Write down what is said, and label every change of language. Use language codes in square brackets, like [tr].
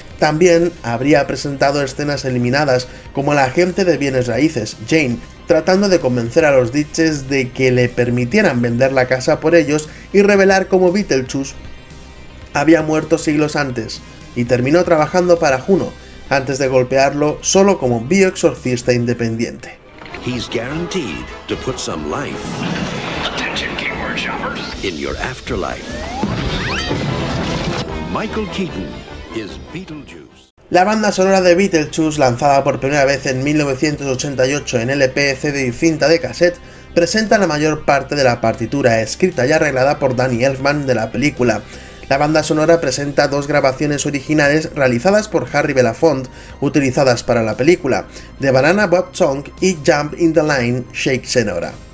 [es] También habría presentado escenas eliminadas, como la agente de bienes raíces, Jane, tratando de convencer a los Ditches de que le permitieran vender la casa por ellos y revelar cómo Beetlejuice había muerto siglos antes. Y terminó trabajando para Juno, antes de golpearlo solo como bioexorcista independiente. [en] He's guaranteed to put some life. Attention, King Workshoppers. In your afterlife. Michael Keaton is Beetlejuice. [es] La banda sonora de Beetlejuice, lanzada por primera vez en 1988 en LP, CD y cinta de cassette, presenta la mayor parte de la partitura escrita y arreglada por Danny Elfman de la película. La banda sonora presenta dos grabaciones originales realizadas por Harry Belafonte, utilizadas para la película, The Banana Boat Song y Jump in the Line, Shake Senora.